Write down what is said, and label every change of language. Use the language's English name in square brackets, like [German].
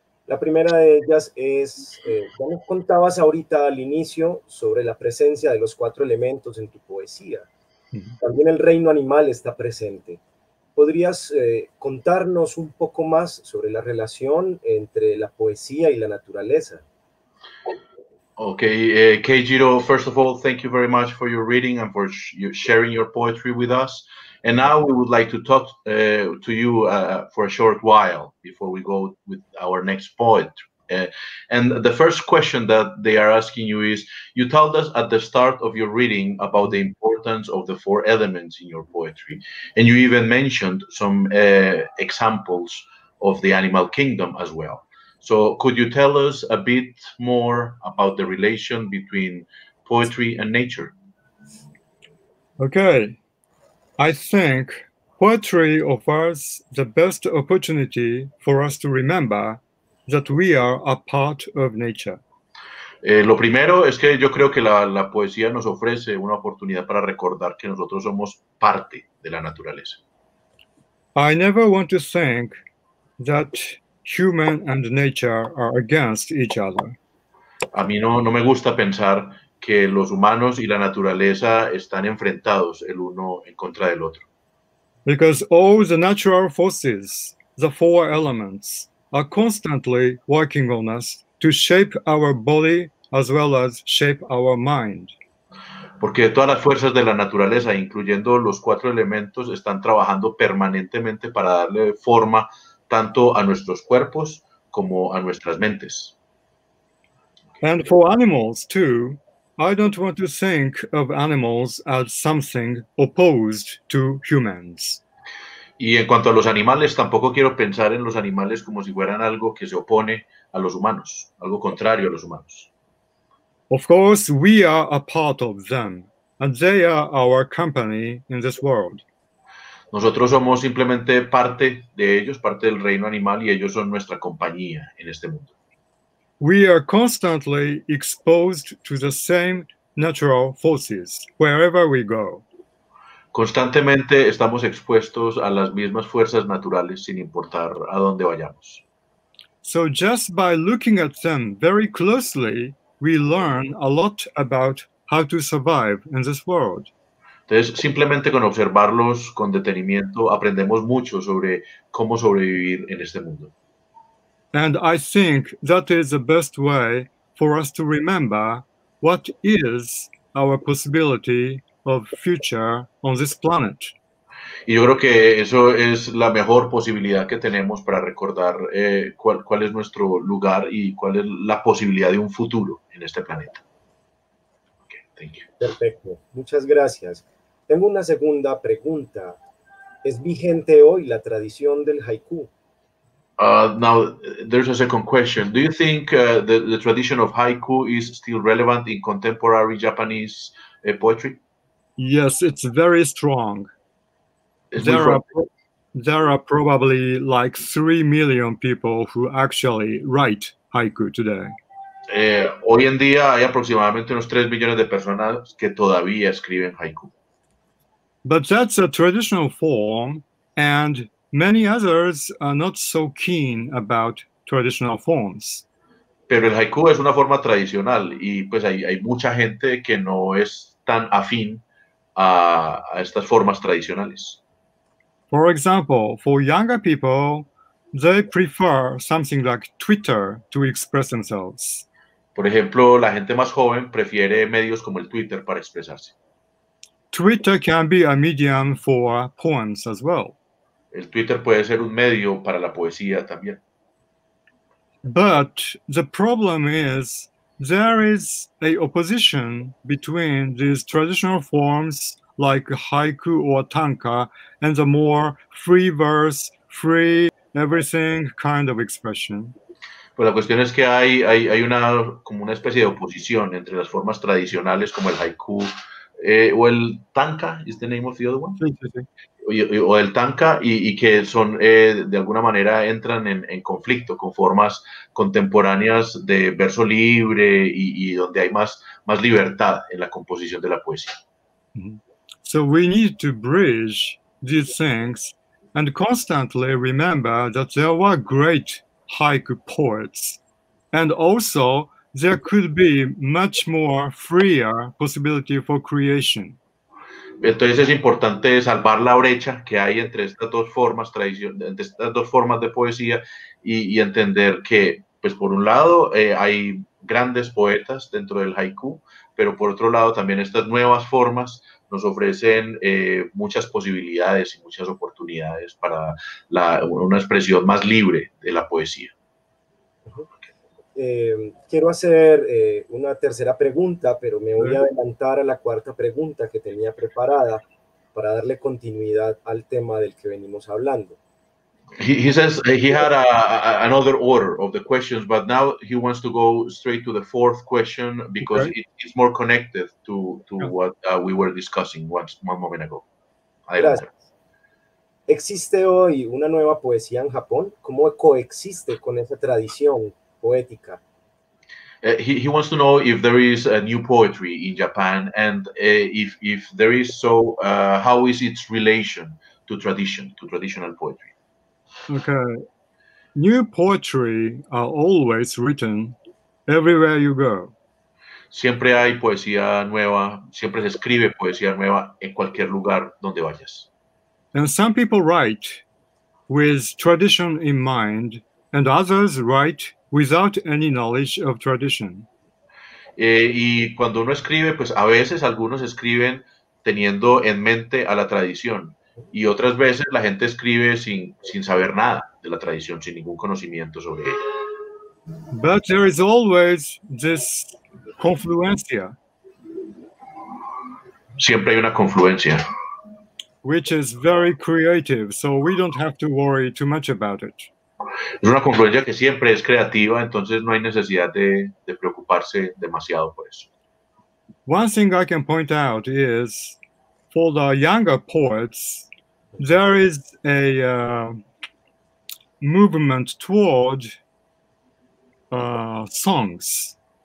[Spanish] La primera de ellas es, ya nos contabas ahorita al inicio sobre la presencia de los cuatro elementos en tu poesía. También el reino animal está presente. ¿Podrías contarnos un poco más sobre la relación entre la poesía y la naturaleza? [English] Okay, Keijiro, first of all, thank you very much for your reading and for sharing your poetry with us. And now we would like to talk to you for a short while before we go with our next poet. And the first question that they are asking you is, you told us at the start of your reading about the importance of the four elements in your poetry. And you even mentioned some examples of the animal kingdom as well. So could you tell us a bit more about the relation between poetry and nature? Okay. I think poetry offers the best opportunity for us to remember that we are a part of nature. [Spanish] Lo primero es que yo creo que la poesía nos ofrece una oportunidad para recordar que nosotros somos parte de la naturaleza. [English] I never want to think that human and nature are against each other. [Spanish] A mí no me gusta pensar que los humanos y la naturaleza están enfrentados el uno en contra del otro. [English] Because all the natural forces, the four elements, are constantly working on us to shape our body as well as shape our mind. [Spanish] Porque todas las fuerzas de la naturaleza, incluyendo los cuatro elementos, están trabajando permanentemente para darle forma tanto a nuestros cuerpos como a nuestras mentes. [English] And for animals too, I don't want to think of animals as something opposed to humans. [Spanish] Y en cuanto a los animales, tampoco quiero pensar en los animales como si fueran algo que se opone a los humanos, algo contrario a los humanos. [English] Of course, we are a part of them, and they are our company in this world. [Spanish] Nosotros somos simplemente parte de ellos, parte del reino animal, y ellos son nuestra compañía en este mundo. [English] We are constantly exposed to the same natural forces wherever we go. [Spanish] Constantemente estamos expuestos a las mismas fuerzas naturales sin importar a dónde vayamos. [English] So just by looking at them very closely, we learn a lot about how to survive in this world. [Spanish] Entonces, simplemente con observarlos con detenimiento, aprendemos mucho sobre cómo sobrevivir en este mundo. [English] And I think that is the best way for us to remember what is our possibility of future on this planet. [Spanish] Y yo creo que eso es la mejor posibilidad que tenemos para recordar cuál es nuestro lugar y cuál es la posibilidad de un futuro en este planeta. [English] Okay, thank you. [Spanish] Perfecto. Muchas gracias. Tengo una segunda pregunta es vigente hoy la tradición del haiku? [English] Now, there's a second question. Do you think the tradition of haiku is still relevant in contemporary Japanese poetry? Yes, it's very strong. There are probably like 3 million people who actually write haiku today. [Spanish] Hoy en día hay aproximadamente unos 3 millones de personas que todavía escriben haiku. [English] But that's a traditional form, and many others are not so keen about traditional forms. [Spanish] Pero el haiku es una forma tradicional, y pues hay mucha gente que no es tan afín a estas formas tradicionales. [English] For example, for younger people, they prefer something like Twitter to express themselves. [Spanish] Por ejemplo, la gente más joven prefiere medios como el Twitter para expresarse. [English] Twitter can be a medium for poems as well. [Spanish] El Twitter puede ser un medio para la poesía también. [English] But the problem is there is a opposition between these traditional forms like haiku or tanka and the more free verse, free everything kind of expression. [Spanish] Pues la cuestión es que hay una como una especie de oposición entre las formas tradicionales como el haiku o el tanka, [English] is the name of the other one? [Spanish] Sí, sí, sí. O el tanka y que son de alguna manera entran en conflicto con formas contemporáneas de verso libre y donde hay más libertad en la composición de la poesía. [English] So we need to bridge these things and constantly remember that there were great haiku poets, and also there could be much more freer possibility for creation. [Spanish] Entonces es importante salvar la brecha que hay entre estas dos formas entre estas dos formas de poesía y entender que, pues por un lado hay grandes poetas dentro del haiku, pero por otro lado también estas nuevas formas nos ofrecen muchas posibilidades y muchas oportunidades para una expresión más libre de la poesía. Quiero hacer una tercera pregunta, pero me voy a adelantar a la cuarta pregunta que tenía preparada para darle continuidad al tema del que venimos hablando. [English] He says he had another order of the questions, but now he wants to go straight to the fourth question because it's more connected to what we were discussing one moment ago. [Spanish] Gracias. ¿Existe hoy una nueva poesía en Japón? ¿Cómo coexiste con esa tradición poética? [English] He wants to know if there is a new poetry in Japan and if there is so, how is its relation to tradition, to traditional poetry? Okay, new poetry are always written everywhere you go. [Spanish] Siempre hay poesía nueva, siempre se escribe poesía nueva en cualquier lugar donde vayas. [English] And some people write with tradition in mind, and others write without any knowledge of tradition. [Spanish] Y cuando uno escribe, pues a veces algunos escriben teniendo en mente a la tradición. Y otras veces la gente escribe sin saber nada de la tradición, sin ningún conocimiento sobre ella. [English] But there is always this confluencia. [Spanish] Siempre hay una confluencia. [English] Which is very creative, so we don't have to worry too much about it. [Spanish] Es una confluencia que siempre es creativa, entonces no hay necesidad de preocuparse demasiado por eso. [English] One thing I can point out is for the younger poets, there is a movement toward songs.